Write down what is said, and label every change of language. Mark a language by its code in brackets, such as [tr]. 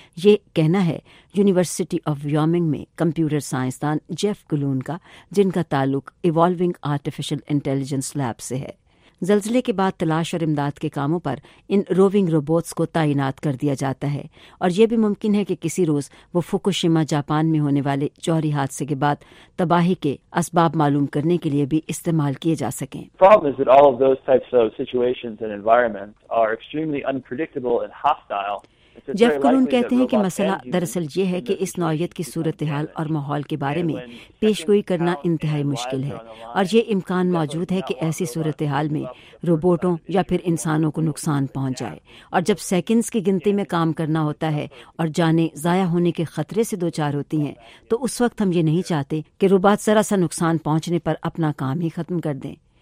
[ur] یہ کہنا ہے یونیورسٹی آف وائمنگ میں کمپیوٹر سائنسدان جیف گلون کا, جن کا تعلق ایوالونگ آرٹیفیشل انٹیلیجنس لیب سے ہے. زلزلے کے بعد تلاش اور امداد کے کاموں پر ان روونگ روبوٹس کو تعینات کر دیا جاتا ہے, اور یہ بھی ممکن ہے کہ کسی روز وہ فکوشیما جاپان میں ہونے والے جوہری حادثے کے بعد تباہی کے اسباب معلوم کرنے کے لیے بھی استعمال کیے جا سکیں. [en] Problem is that all of those types of situations and environments are extremely unpredictable and hostile. [ur] Jeff کلون کہتے ہیں کہ مسئلہ دراصل یہ ہے کہ اس نوعیت کی صورتحال اور ماحول کے بارے میں پیش گوئی کرنا انتہائی مشکل ہے, اور یہ امکان موجود ہے کہ ایسی صورتحال میں روبوٹوں یا پھر انسانوں کو نقصان پہنچ جائے. اور جب سیکنڈز کی گنتی میں کام کرنا ہوتا ہے اور جانیں ضائع ہونے کے خطرے سے دوچار ہوتی ہیں, تو اس وقت ہم یہ نہیں چاہتے کہ روبوٹ ذرا سا نقصان پہنچنے پر اپنا کام ہی ختم کر دیں.